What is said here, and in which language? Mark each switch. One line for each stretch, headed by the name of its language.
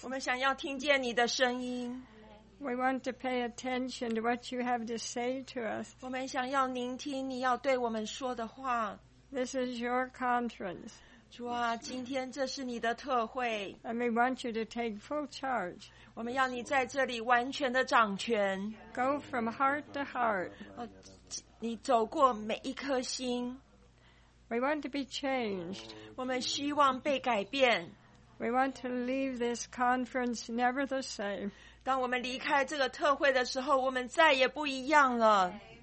Chinese: 我们想要听见你的声音。
English: We want to pay attention to what you have to say to us.
Chinese: 我们想要聆听你要对我们说的话。
English: This is your conference.
Chinese: 主啊，今天这是你的特会。
English: And we want you to take full charge.
Chinese: 我们要你在这里完全的掌权。
English: Go from heart to heart.
Chinese: 你走过每一颗心。
English: We want to be changed.
Chinese: 我们希望被改变。
English: We want to leave this conference never the same.
Chinese: 当我们离开这个特会的时候，我们再也不一样了。